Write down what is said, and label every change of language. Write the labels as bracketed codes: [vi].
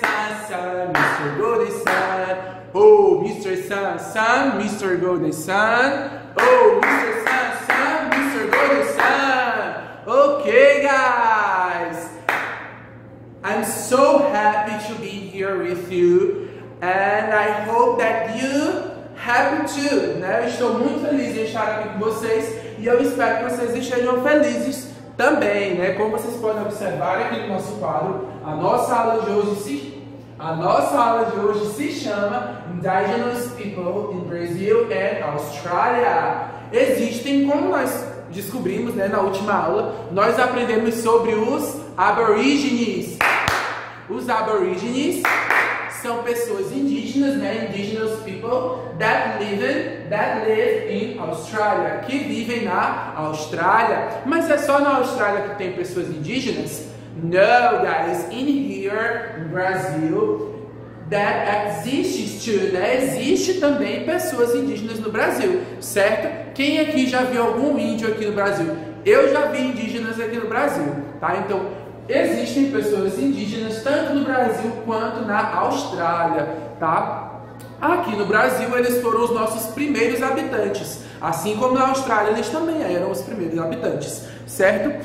[en] Sun, Sun, Mr. Golden Sun. Oh, Mr. Sun, Sun, Mr. Golden Sun. Oh, Mr. Sun, Sun, Mr. Golden Sun. Okay, guys. I'm so happy to be here with you. And I hope that you... happy too, né? [pt] Eu estou muito feliz de estar aqui com vocês e eu espero que vocês estejam felizes também, né? Como vocês podem observar aqui no nosso quadro, a nossa aula de hoje se chama [en] Indigenous People in Brazil and Australia. [pt] Existem, como nós descobrimos, né, na última aula, nós aprendemos sobre os aborígenes. Os aborígenes são pessoas indígenas, né? [en] Indigenous people that live in Australia, [pt] que vivem na Austrália. Mas é só na Austrália que tem pessoas indígenas? [en] No, guys, in here, in Brazil, that exists too, né? [pt] Existe também pessoas indígenas no Brasil, certo? Quem aqui já viu algum índio aqui no Brasil? Eu já vi indígenas aqui no Brasil, tá? Então, existem pessoas indígenas tanto no Brasil quanto na Austrália, tá? Aqui no Brasil eles foram os nossos primeiros habitantes, assim como na Austrália eles também eram os primeiros habitantes, certo?